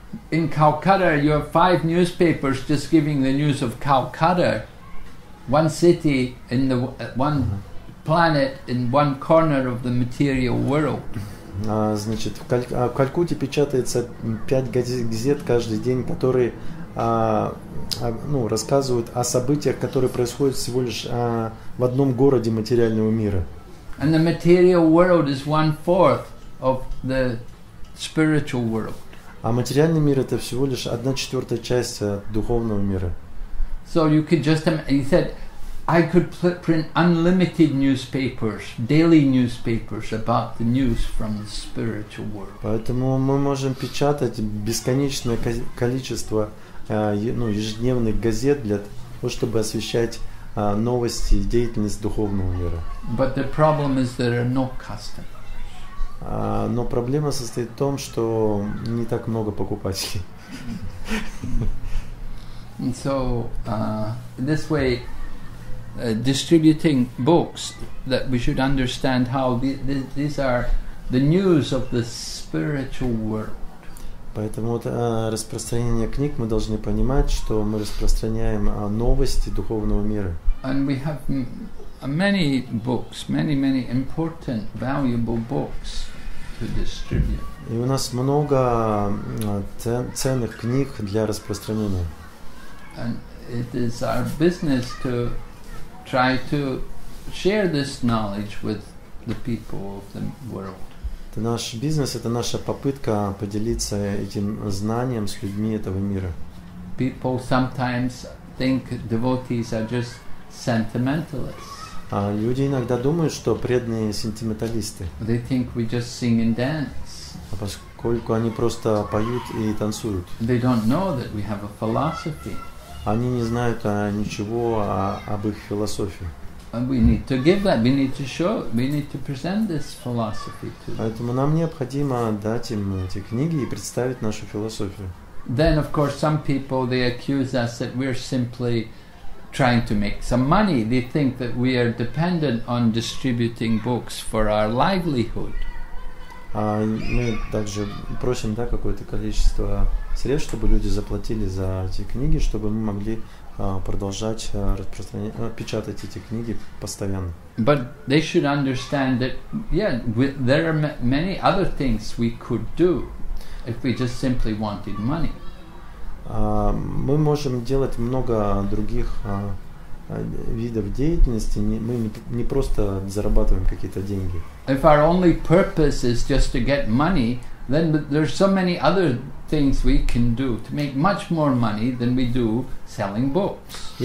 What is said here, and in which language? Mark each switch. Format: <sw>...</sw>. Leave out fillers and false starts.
<en>In Calcutta, you have 5 newspapers just giving the news of Calcutta, one city in the one planet in one corner of the material world.</en> <ru>Значит, в Калькутте печатается 5 газет каждый день, которые рассказывают о событиях, которые происходят всего лишь в одном городе материального мира.</ru> <en>And the material world is 1/4 of the spiritual world.</en> <ru>А материальный мир — это всего лишь 1/4 часть духовного мира.</ru> <en>So you could just, he said, I could print unlimited newspapers, daily newspapers about the news from the spiritual world.</en> <ru>Поэтому мы можем печатать бесконечное количество ежедневных газет для того, чтобы освещать новости и деятельность духовного мира.</ru> <en>But the problem is there are no customers.</en> <ru>Но проблема состоит в том, что не так много покупателей.</ru> <en>And so this way distributing books that we should understand how these are the news of the spiritual world.</en> <ru>Поэтому распространение книг мы должны понимать, что мы распространяем новости духовного мира.</ru> <en>And we have many books, many important valuable books.</en> <ru>И у нас много ценных книг для распространения.</ru> <en>And it is our business to try to share this knowledge with the people of the world.</en> <ru>Это наш бизнес, это наша попытка поделиться этим знанием с людьми этого мира.</ru> <en>People sometimes think devotees are just sentimentalists.</en> <ru>А люди иногда думают, что преданные сентименталисты.</ru> <en>They think we just sing and dance.</en> <ru>А поскольку они просто поют и танцуют.</ru> <en>They don't know that we have a philosophy.</en> <ru>Они не знают ничего об их философии.</ru> <en>And we need to give that. We need to show. We need to present this philosophy to them.</en> <ru>Поэтому нам необходимо дать им эти книги и представить нашу философию.</ru> <en>Then, of course, some people they accuse us that we're simply trying to make some money. They think that we are dependent on distributing books for our livelihood.</en> <ru>Мы также просим, да, какое-то количество средств, чтобы люди заплатили за эти книги, чтобы мы могли продолжать печатать эти книги постоянно.</ru> <en>But they should understand that, yeah, there are many other things we could do if we just simply wanted money.</en> <ru>Мы можем делать много других видов деятельности, мы не просто зарабатываем какие-то деньги.</ru> <en>If our only purpose is just to get money, then there's so many other things we can do to make much more money than we do selling books.</en>